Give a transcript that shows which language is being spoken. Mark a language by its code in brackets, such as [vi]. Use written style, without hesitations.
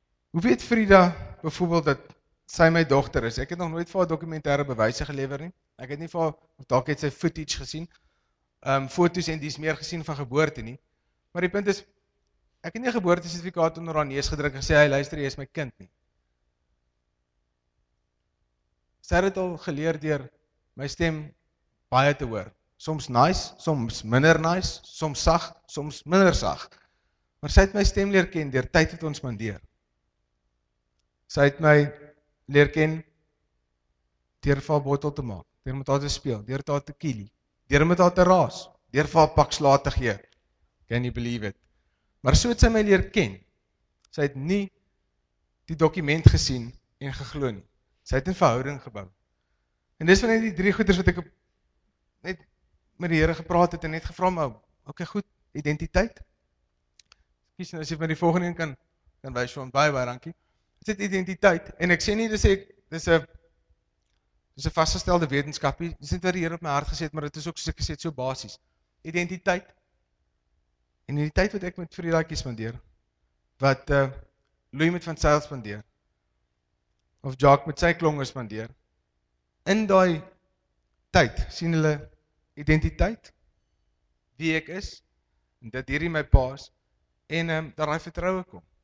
[af] Hoe weet Frida, byvoorbeeld, dat sy my dogter is. Ek het nog nooit vir haar dokumentêre bewyse gelewer nie. Ek het nie vir haar dalk het sy footage gesien. Foto's en dis meer gesien van geboorte nie. Maar die punt is ek het nie 'n geboortesertifikaat onder haar neus gedruk en sê hy luister jy is my kind nie. Sy het al geleer deur my stem baie te hoor. Soms nice, soms minder nice, soms sag, soms minder sag. Maar sy het my stem leer ken deur tyd wat ons spandeer. Sy het my leer ken deur vir haar bottel te maak, deur met haar te speel, deur haar te kielie, deur met haar te raas, deur vir haar pak sla te gee. [en] Can you believe it? [af] Maar so het sy my leer ken. Sy het nie die dokument gesien en geglo nie. Sy het 'n verhouding gebou. En dis van die drie goeders wat ek net met die Here gepraat het en net gevra maar okay goed, identiteit. Skus nou as jy van die volgende een kan wys vir ons baie baie dankie. Dit is identiteit en ek sê nie dis ek dis 'n vasgestelde wetenskapie. Dis net wat die Here op my hart gesê het, maar dit is ook soos ek gesê het so basies. Identiteit. En in die tyd wat ek met Vriedaatjie spandeer, wat Louis met van Sail spandeer, of Jacques met sy klonge spandeer, in daai tyd sien hulle identiteit, wie ek is, en dat hierdie my pa is, en dat daai vertroue kom.